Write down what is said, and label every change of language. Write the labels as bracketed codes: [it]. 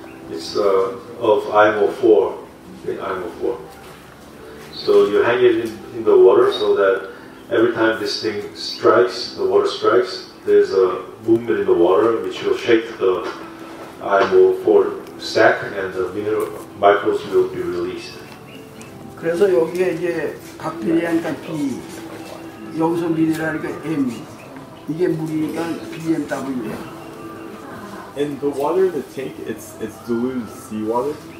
[en] It's of IMO4. IMO4. So you hang it in the water so that every time this thing strikes, the water strikes, there's a movement in the water which will shake the IMO4 sack and the mineral microbes will be released. [ko] 그래서 여기에 이제 박테리아니까 B, 여기서 미네랄이니까 M, 이게 물이니까 BMW야. [en] And the water in the tank, it's diluted seawater?